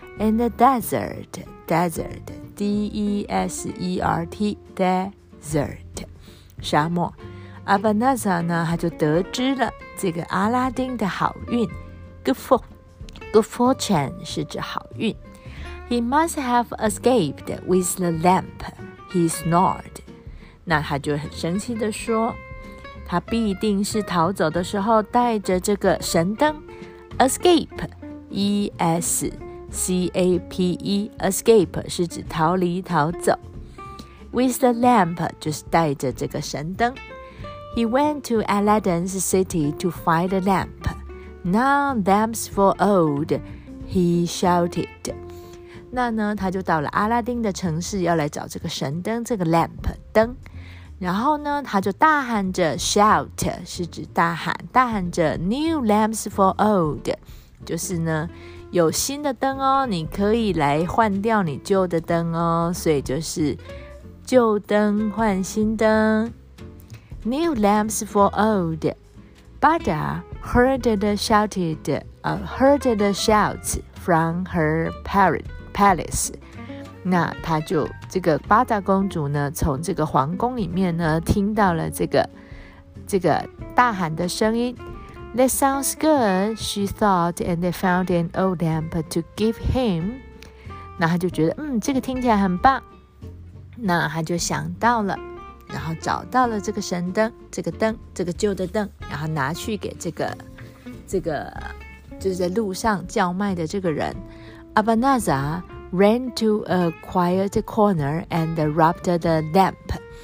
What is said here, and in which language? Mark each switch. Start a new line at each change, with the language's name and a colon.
English: In the desert, desert, D-E-S-E-R-T, desert, 沙漠。
Chinese: Abanazar 呢，他就得知了这个阿拉丁的好运。
English: Good fortune
Chinese: 是指好运。
English: He must have escaped with the lamp, he snored.
Chinese: 那他就很生气地说，他必定是逃走的时候带着这个神灯。
English: Escape, E-S. C-A-P-E, escape,
Chinese: 是指逃离、逃走。
English: With the lamp,
Chinese: 就是带着这个神灯。
English: He went to Aladdin's city to find the lamp. Now lamps for old, he shouted.
Chinese: 那呢，他就到了阿拉丁的城市，要来找这个神灯，这个 lamp, 灯。然后呢，他就大喊着 shout, 是指大喊，大喊着
English: new lamps for old,
Chinese: 就是呢有新的灯哦，你可以来换掉你旧的灯哦，所以就是旧灯换新灯。
English: New lamps for old. Bada heard the shouts from her palace.
Chinese: 那他就这个巴达公主呢，从这个皇宫里面呢听到了这个大喊的声音。
English: That sounds good, she thought, and they found an old lamp to give him.
Chinese: 那他就觉得，这个听起来很棒。那他就想到了，然后找到了这个神灯，这个灯，这个旧的灯，然后拿去给这个就是在路上叫卖的这个人。
English: Abanazar ran to a quiet corner and rubbed the lamp.